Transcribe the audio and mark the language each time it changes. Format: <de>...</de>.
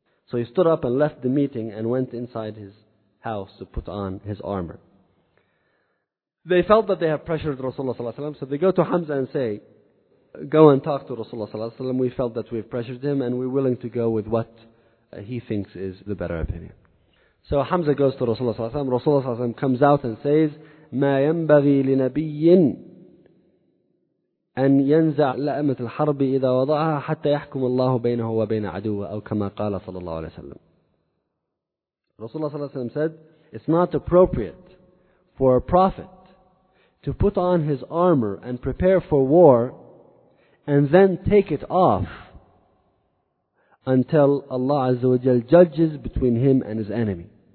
<en>So he stood up and left the meeting and went inside his house to put on his armor. They felt that they have pressured Rasulullah sallallahu alaihi wasallam, so they go to Hamza and say, go and talk to Rasulullah sallallahu alaihi wasallam, we felt that we have pressured him and we're willing to go with what he thinks is the better opinion. So Hamza goes to Rasulullah sallallahu alaihi wasallam, Rasulullah sallallahu alaihi wasallam comes out and says,</en> <ar>ما ينبغي لنبي أن ينزع لأمة الحرب إذا وضعها حتى يحكم الله بينه وبين عدوه أو كما قال صلى الله عليه وسلم.</ar> <en>Rasulullah صلى الله عليه وسلم said, it's not appropriate for a prophet to put on his armor and prepare for war and then take it off until Allah عز وجل judges between him and his enemy.</en>